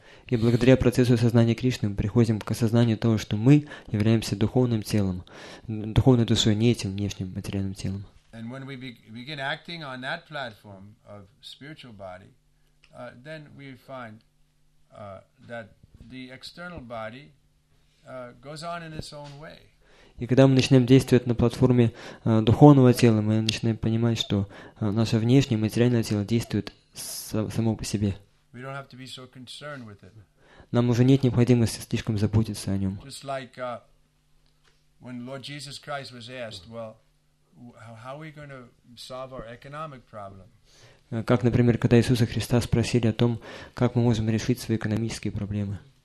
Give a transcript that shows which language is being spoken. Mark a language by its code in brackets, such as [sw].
[ru] И благодаря процессу сознания Кришны мы приходим к осознанию того, что мы являемся духовным телом, духовной душой, не этим внешним материальным телом. [en] And when we begin acting on that platform of spiritual body, then we find that the external body goes on in its own way. [ru] И когда мы начинаем действовать на платформе духовного тела, мы начинаем понимать, что наше внешнее материальное тело действует само по себе. [en] We don't have to be so concerned with it. [ru] Нам уже нет необходимости слишком заботиться о нем. [en] Just like when Lord Jesus Christ was asked, well, how are we going to solve our economic problem? [ru] Как, например, когда Иисуса Христа спросили о том, как мы можем решить свои экономические проблемы.